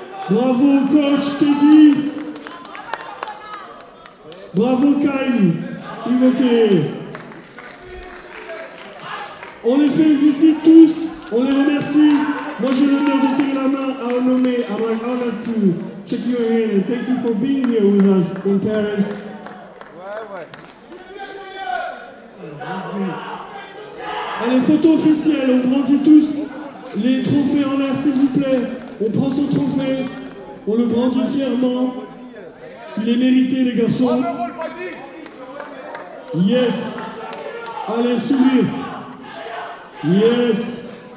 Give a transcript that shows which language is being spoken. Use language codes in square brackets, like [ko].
[fr] Bravo coach Teddy. Bravo Kyle. Invoquez. On les félicite tous. On les remercie. Moi j'ai l'honneur de serrer la main à un nommé. [en] I'm like honored to check you in. And thank you for being here with us in Paris. [fr] Ouais, ouais. Allez, photo officielle. On brandit tous les trophées en l'air, s'il vous plaît. On prend son trophée. On le brandit fièrement. Il est mérité, les garçons. [en] Yes. [fr] Allez, sourire. [en] Yes.